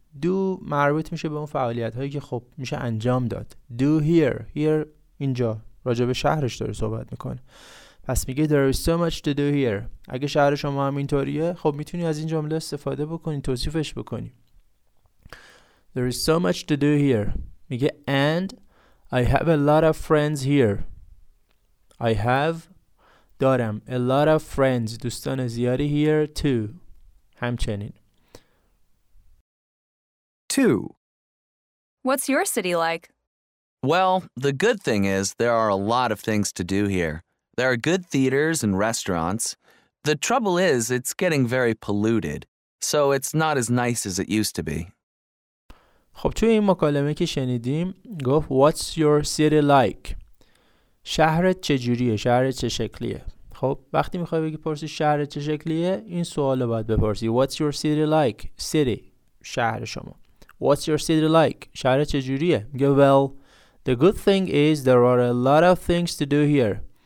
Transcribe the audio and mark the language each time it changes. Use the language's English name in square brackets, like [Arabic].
[Persian] Do مربوط میشه به اون فعالیت هایی که خب میشه انجام داد. [English] Do here. [Persian] Here اینجا راجع به شهرش داره صحبت میکنه. پس میگه [English] There is so much to do here. [Persian] اگه شهر شما هم اینطوریه خب میتونی از این جمله استفاده بکنی، توصیفش بکنی. [English] There is so much to do here. [Persian] میگه [English] And I have a lot of friends here. I have [Persian] دارم [English] a lot of friends، [Persian] دوستان زیادی [English] here too. [Persian] همچنین [English] two. What's your city like? Well, the good thing is there are a lot of things to do here. There are good theaters and restaurants. The trouble is it's getting very polluted, so it's not as nice as it used to be. [Persian] خب توی این مکالمه که شنیدیم گفت [English] What's your city like؟ [Persian] شهرت چجوریه؟ شهرت چه شکلیه؟ خب وقتی میخوای بگی پرسی شهرت چه شکلیه، این سوال رو باید بپرسی. [English] What's your city like؟ city [Persian] شهر شما. [English] What's your city like؟ [Persian] شهرت چجوریه؟ میگه [English] Well, the good thing is there are a lot of things to do here.